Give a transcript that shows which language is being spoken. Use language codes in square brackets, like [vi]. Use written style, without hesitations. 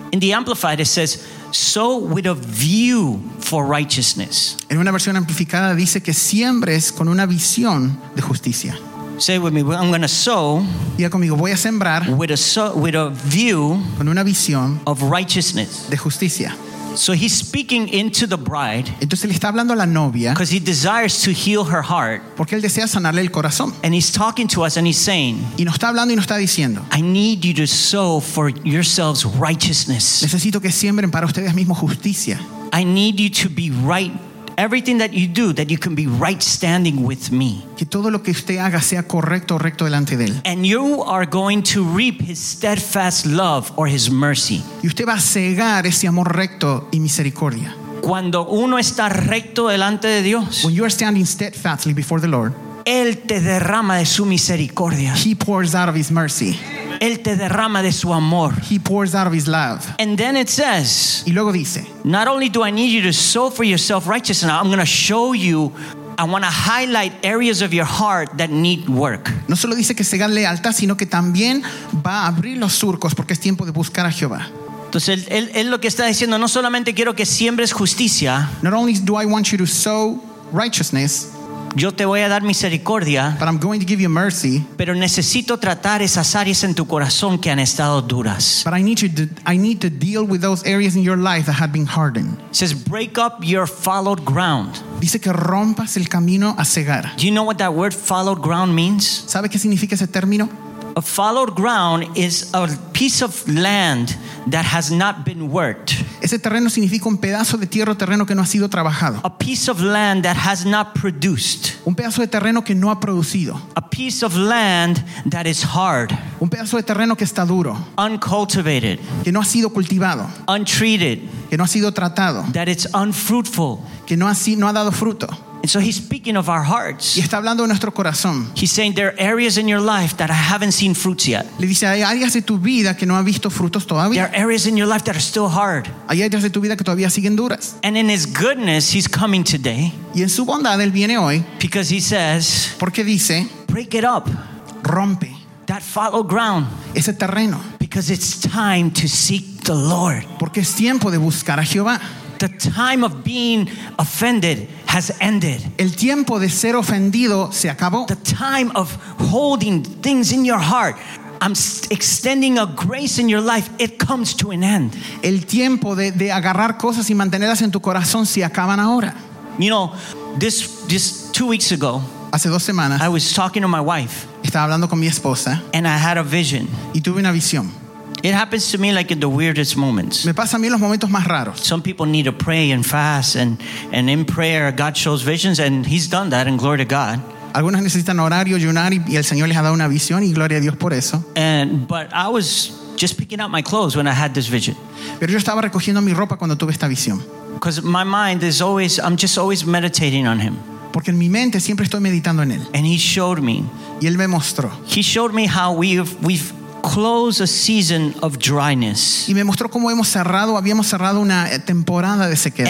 [en] In the Amplified it says, sow with a view for righteousness. [es] En una versión amplificada dice que siembres con una visión de justicia. [en] Say with me, I'm going to sow. [es] Diga conmigo, voy a sembrar. [en] With a view. [es] Con una visión. [en] Of righteousness. [es] De justicia. [en] So he's speaking into the bride. [es] Entonces le está hablando a la novia. [en] Because he desires to heal her heart. [es] Porque él desea sanarle el corazón. [en] And he's talking to us and he's saying. [es] Y nos está hablando y nos está diciendo. [en] I need you to sow for yourselves righteousness. [es] Necesito que siembren para ustedes mismos justicia. [en] I need you to be right. Everything that you do, that you can be right standing with me. [es] Que todo lo que usted haga sea correcto, recto delante de él. [en] And you are going to reap his steadfast love or his mercy. [es] Y usted va a cegar ese amor recto y misericordia. Cuando uno está recto delante de Dios. [en] When you are standing steadfastly before the Lord. [es] Él te derrama de su misericordia. [en] He pours out of his mercy. [es] Él te derrama de su amor. [en] He pours out of his love. And then it says. [es] Y luego dice. [en] Not only do I need you to sow for yourself righteousness, I'm going to show you. I want to highlight areas of your heart that need work. [es] No solo dice que segan lealtad, sino que también va a abrir los surcos porque es tiempo de buscar a Jehová. Entonces él lo que está diciendo, no solamente quiero que siembres justicia. [en] Not only do I want you to sow righteousness. [es] Yo te voy a dar misericordia, [en] but I'm going to give you mercy, [es] pero necesito tratar esas áreas en tu corazón que han estado duras. [en] But I need to deal with those areas in your life that had been hardened. It says break up your fallowed ground. [es] Dice que rompas el camino a cegar. [en] Do you know what that word fallowed ground means? [es] ¿Sabe qué significa ese término? [en] A fallow ground is a piece of land that has not been worked. [es] Ese terreno significa un pedazo de tierra o terreno que no ha sido trabajado. [en] A piece of land that has not produced. [es] Un pedazo de terreno que no ha producido. [en] A piece of land that is hard. [es] Un pedazo de terreno que está duro. [en] Uncultivated. [es] Que no ha sido cultivado. [en] Untreated. [es] Que no ha sido tratado. [en] That it's unfruitful. [es] Que no ha dado fruto. [en] And so he's speaking of our hearts. [es] Y está hablando de nuestro corazón. [en] He's saying there are areas in your life that I haven't seen fruits yet. [es] Le dice, hay áreas de tu vida que no ha visto frutos todavía. [en] There are areas in your life that are still hard. [es] Hay áreas de tu vida que todavía siguen duras. [en] And in his goodness, he's coming today. [es] Y en su bondad, él viene hoy. [en] Because he says, [es] porque dice, [en] break it up. [es] Rompe. [en] That fallow ground. [es] Ese terreno. [en] Because it's time to seek the Lord. [es] Porque es tiempo de buscar a Jehová. [en] The time of being offended has ended. [es] El tiempo de ser ofendido se acabó. [en] The time of holding things in your heart. I'm extending a grace in your life. It comes to an end. [es] El tiempo de agarrar cosas y mantenerlas en tu corazón se acaban ahora. [en] You know, this 2 weeks ago, [es] hace dos semanas, [en] I was talking to my wife. [es] Estaba hablando con mi esposa. [en] And I had a vision. [es] Y tuve una visión. [en] It happens to me like in the weirdest moments. [es] Me pasa a mí en los momentos más raros. [en] Some people need to pray and fast, and in prayer God shows visions, and he's done that, and glory to God. [es] Algunos necesitan orar y ayunar, y el Señor les ha dado una visión, y gloria a Dios por eso. [en] But I was just picking out my clothes when I had this vision. [es] Pero yo estaba recogiendo mi ropa cuando tuve esta visión. [en] Because my mind is always, I'm just always meditating on him. [es] Porque en mi mente siempre estoy meditando en él. [en] And he showed me. [es] Y él me mostró. [en] He showed me how we've close a season of dryness. [es] Y me mostró cómo habíamos cerrado una temporada de sequedad.